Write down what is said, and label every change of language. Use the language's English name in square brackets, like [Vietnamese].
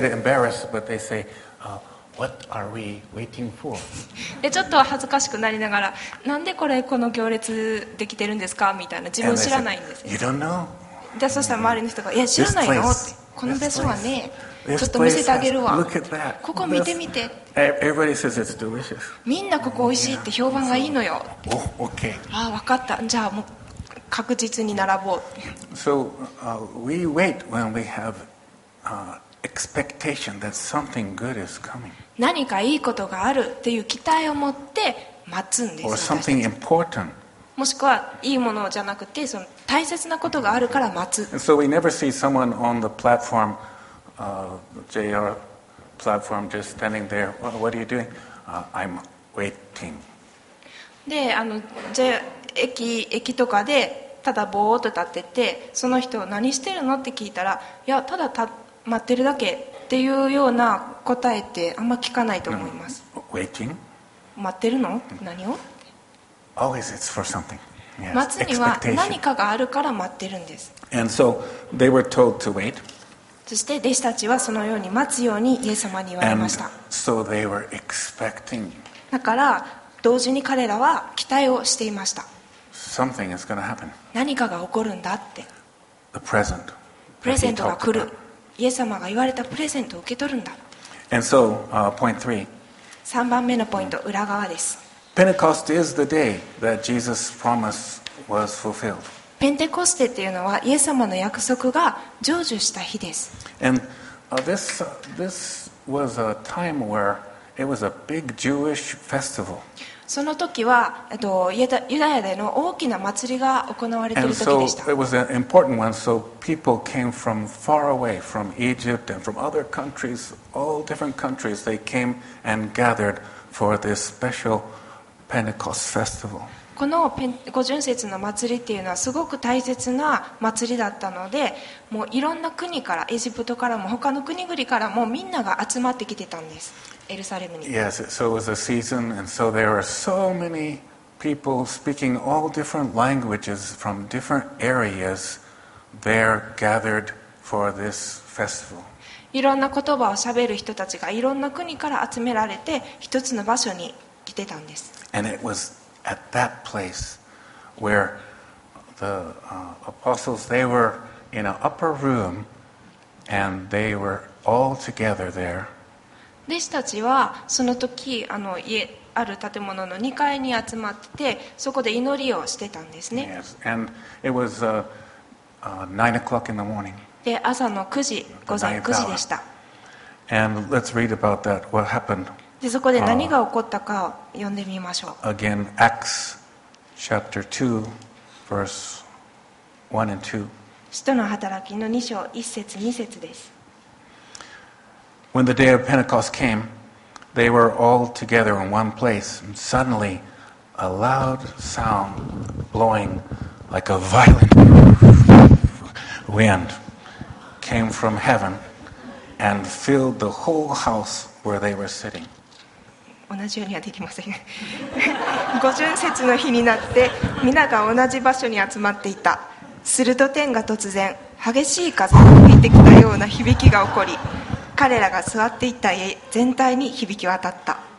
[English] で、they say, What are we waiting for? [Japanese] でちょっと恥ずかしくなりながら、なんでこれこの行列できてるんですかみたいな、自分知らないんですよ。 [English] You don't know? [Japanese] でそしたら周りの人が、いや知らないの、この場所はね、ちょっと見せてあげるわ。 [English] Look at that. [Japanese] ここ見てみて。 [English] Everybody says it's delicious. [Japanese] みんなここおいしいって評判がいいのよ。 [English] Oh, okay. [Japanese] ああ、分かった。じゃあもう確実に並ぼう。 [English] So, we wait when we have expectation that something good is coming. [Japanese] 何かいいことがあるっていう期待を持って待つんです。 [English] Or something important. [Japanese] もしくはいいものじゃなくてその大切なことがあるから待つ。 [English] And so we never see someone on the platform, JR platform, just standing there. Well, what are you doing? I'm waiting. [Japanese] で、あの、じゃあ、駅とかでただぼーっと立っててその人何してるのって聞いたらいやただ待ってるだけっていうような答えってあんま聞かないと思います、 [English] no. Waiting? [Japanese] 待ってるの何を [English] Always it's for something、yes. [Japanese] 待つには何かがあるから待ってるんです [English] And so they were told to wait [Japanese] そして弟子たちはそのように待つようにイエス様に言われました [English] And so they were expecting [Japanese] だから同時に彼らは期待をしていました [English] Something is going to happen. [Japanese] 何かが起こるんだって [English] The present. [Japanese] プレゼントが来るイエス様が言われたプレゼントを受け取るんだ [English] And so, point three. [Japanese] 3番目のポイント、裏側です [English] Pentecost is the day that Jesus' promise was fulfilled. [Japanese] ペンテコステっていうのはイエス様の約束が成就した日です [English] And this was a time where it was a big Jewish festival. [Japanese] その時はユダヤでの大きな祭りが行われている時でした。 [English] It was an important one, so people came from far away, from Egypt and from other countries, all different countries, they came and gathered for this special Pentecost festival. [Japanese] この五旬節の祭りっていうのはすごく大切な祭りだったので、もういろんな国から、エジプトからも他の国々からもみんなが集まってきてたんです。エルサレムに。 [English] Yes, so it was a season, and so there were so many people speaking all different languages from different areas there gathered for this festival. [Japanese] いろんな言葉を喋る人たちがいろんな国から集められて一つの場所に来てたんです。 [English] And it was at that place where the apostles they were in an upper room and they were all together there. [Japanese] 弟子たちはその時あの家ある建物の2階に集まっててそこで祈りをしてたんですね。 [English] Yes. And it was, 9 o'clock in the morning. [Japanese] で朝の9時午前9時でした。 [English] And let's read about that. What happened? [Japanese] でそこで何が起こったかを読んでみましょう。 [English] Again, Acts chapter 2, verse 1 and 2. [Japanese] 使徒の働きの2章1節2節です。 [English] When the day of Pentecost came, they were all together in one place, and suddenly a loud sound blowing like a violent wind came from heaven and filled the whole house where they were sitting. [Japanese] 同じようにはできません。五旬節の日になって、皆が同じ場所に集まっていた。すると天が突然、激しい風が吹いてきたような響きが起こり、彼らが座っていた家全体に響き渡った。